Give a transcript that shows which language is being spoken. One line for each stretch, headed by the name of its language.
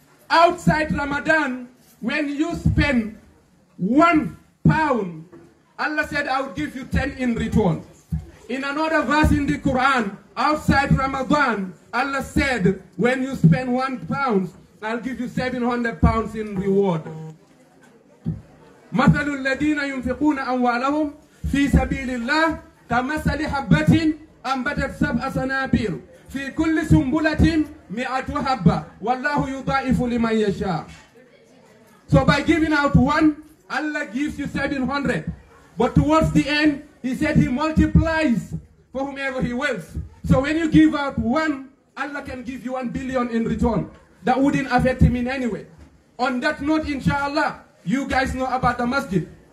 English: Outside Ramadan, when you spend £1, Allah said, I'll give you 10 in return. In another verse in the Quran, outside Ramadan, Allah said, when you spend £1, I'll give you £700 in reward.
Arabic: مَثَلُ الَّذِينَ يُنْفِقُونَ أَمْوَالَهُمْ فِي سَبِيلِ اللَّهِ كَمَثَلِ حَبَّةٍ أَنْبَتَتْ سَبْعَ سَنَابِيلَ في كل سنبلة مئة حبة والله يضاعف لمن يشاء.
English: So by giving out one, Allah gives you 700. But towards the end, he said he multiplies for whomever he wills. So when you give out one, Allah can give you 1 billion in return. that wouldn't affect him in any way. On that note, inshallah, you guys know about the masjid.